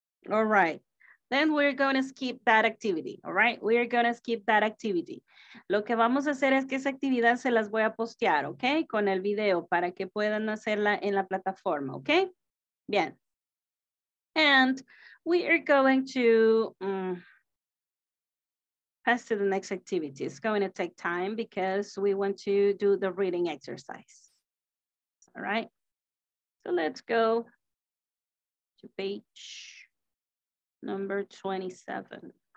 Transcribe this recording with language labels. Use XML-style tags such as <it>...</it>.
<en>All right, then we're going to skip that activity, all right? We're going to skip that activity.</en> <es>Lo que vamos a hacer es que esa actividad se las voy a postear, okay? Con el video para que puedan hacerla en la plataforma, okay? Bien.</es> <en>And we are going to pass to the next activity. It's going to take time because we want to do the reading exercise, all right? So let's go to page number 27.</en>